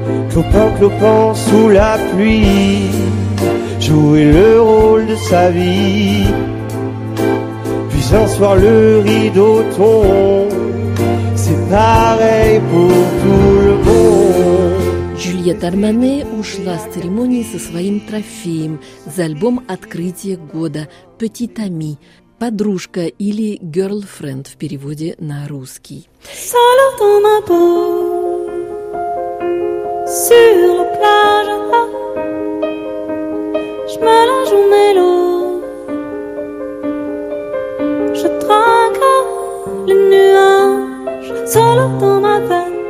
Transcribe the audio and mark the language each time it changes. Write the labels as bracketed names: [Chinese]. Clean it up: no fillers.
[French] Clopant, clopant sous la pluie, jouer le rôle de sa vie. Puis un soir le rideau tombe, c'est pareil pour tout le monde. [Russian] Жюльет Армане ушла с церемонии со своим трофеем за альбом «Открытие года» «Petit ami» – «Подружка» или «Girlfriend» в переводе на русский. [French] Solo dans ma peau, sur la plage, je me la joue mélo, je trinque le nuage, solo dans ma peau.